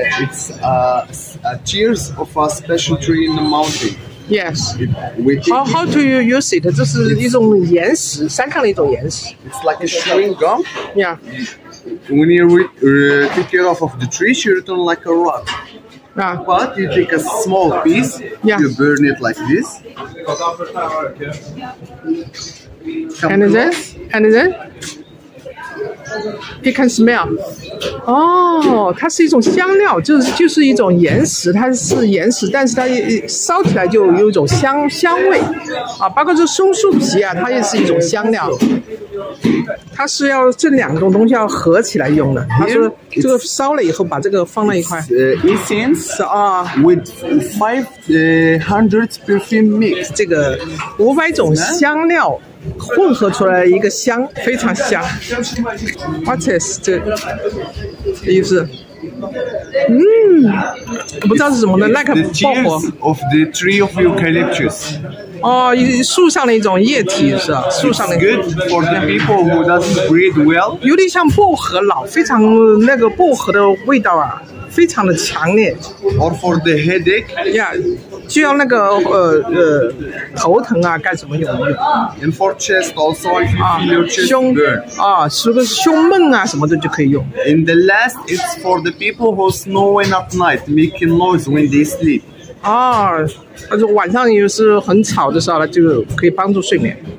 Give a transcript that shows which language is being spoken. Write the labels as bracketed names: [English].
[English] It's a tears of a special tree in the mountain. Yes. How do you use it? [Chinese] 这是一种岩石，山上的一种岩石。 [English] It's like a chewing gum. Yeah. When you take it off of the tree, you turn like a rock. Yeah. But you take a small piece. Yeah. You burn it like this. And then you can smell. [Chinese] 哦，它是一种香料，就是一种岩石，它是岩石，但是它烧起来就有一种香味啊，包括这松树皮啊，它也是一种香料。它是要这两种东西要合起来用的。它说这个烧了以后，把这个放在一块。 [English] Incense with 500 perfume mix， [Chinese] 这个500种香料。混合出来一个香，非常香。 [English] What is [Chinese] 这个意思？不知道是什么呢 ？ [English] Like [Chinese] 爆火。 [English] Of the tree of eucalyptus。 [Chinese] 哦，树上的一种液体是吧？树上的。 [English] It's、good for the people who doesn't breathe well。 [Chinese] 有点像薄荷脑，非常那个薄荷的味道啊，非常的强烈。 [English] Or for the headache。 Yeah。 [Chinese] 就要那个头疼啊，干什么用的 [English] ？And for chest also, if you feel your chest burn, [Chinese] 胸闷啊什么的就可以用。 [English] And the last, it's for the people who snoring at night, making noise when they sleep. [Chinese] 但是晚上又是很吵的时候呢，就可以帮助睡眠。